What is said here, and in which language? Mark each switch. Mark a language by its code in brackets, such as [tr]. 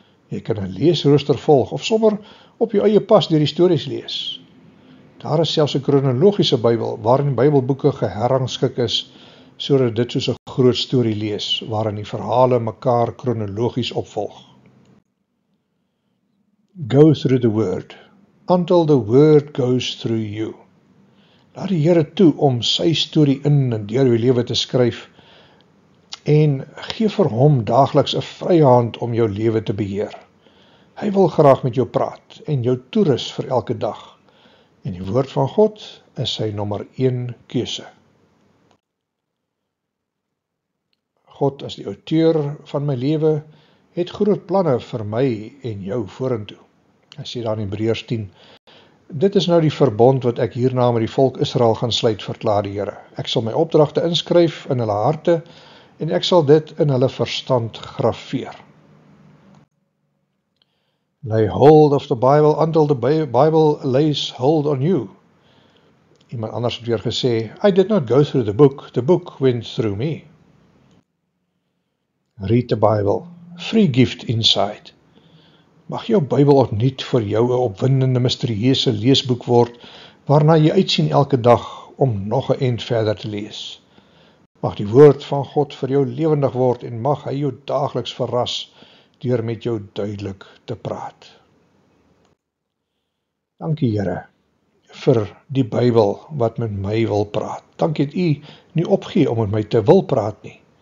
[af] Jy kan 'n leesrooster volg of sommer op jou eie pas deur die stories lees. Daar is selfs 'n kronologiese Bybel waarin Bybelboeke geherrangskik is sodat dit soos 'n groot storie lees waarin die verhale mekaar kronologies opvolg. [en] Go through the word until the word goes through you. [af] Laat die Here toe om sy storie in en deur jou lewe te skryf en gee vir hom daagliks 'n vrye hand om jou lewe te beheer. Hy wil graag met jou praat en jou toerus vir elke dag. En die woord van God is sy nommer 1 keuse. God as die auteur van my lewe het groot planne vir my en jou vorentoe. Hy sê daar in Hebreërs 10, dit is nou die verbond wat ek hierna met die volk Israel gaan sluit, verklaar die Here. Ek sal my opdragte inskryf in hulle harte en ek sal dit in hulle verstand graveer. [en] Lay hold of the Bible until the Bible lays hold on you. [af] Iemand anders het weer gesê, [en] I did not go through the book went through me. Read the Bible, free gift inside. [af] Mag jou Bybel opnuut vir jou 'n opwindende, mysterieuse leesboek word, waarna jy uitsien elke dag om nog 'n end verder te lees. Mag die woord van God vir jou lewendig word en mag hy jou daagliks verras deur met jou duidelik te praat. Dankie Here vir die Bybel wat met my wil praat. Dankie dat U nie opgee om met my te wil praat nie.